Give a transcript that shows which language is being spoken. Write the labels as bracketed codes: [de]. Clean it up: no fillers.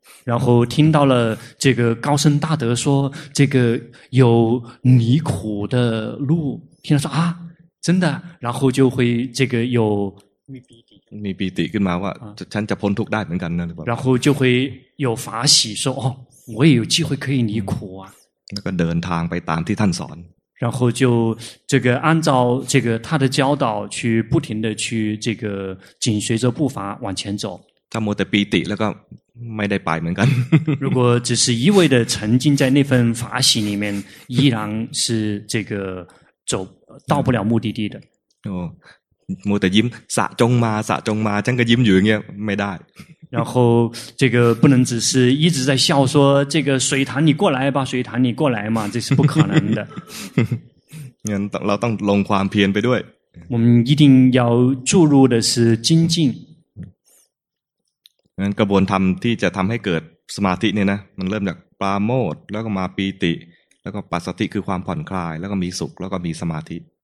[zh] 然后听到了这个高僧大德说这个有离苦的路听到说啊真的然后就会这个有 [th] มีปีติขึ้นมาว่าฉันจะพ้นทุกข์ได้เหมือนกันนะ แล้วก็ [zh] 就会有法喜说哦我也有机会可以离苦啊 [th] แล้วก็เดินทางไปตามที่ท่านสอน [zh] 然后就这个按照这个他的教导去不停的去这个紧随着步伐往前走 [th] ถ้ามัวแต่ปีติแล้วก็ไม่ได้ไปเหมือนกัน [zh] 如果只是一味的沉浸在那份法喜里面依然是这个走到不了目的地的哦 [th] มัวแต่ยิ้มสะจงมาสะจงมาฉันก็ยิ้มอยู่อย่างเงี้ยไม่ได้ [zh] 然后这个不能只是一直在笑说这个水潭你过来吧水潭你过来嘛这是不可能的 [th] งั้นเราต้องลงความเพียรไปด้วย [zh] 我们一定要注入的是精进 [th] งั้นกระบวนการที่จะทำให้เกิดสมาธิเนี่ยนะมันเริ่มจากปราโมทย์แล้วก็มาปีติแล้วก็ปัสสัทธิคือความผ่อนคลายแล้วก็มีสุขแล้วก็มีสมาธิ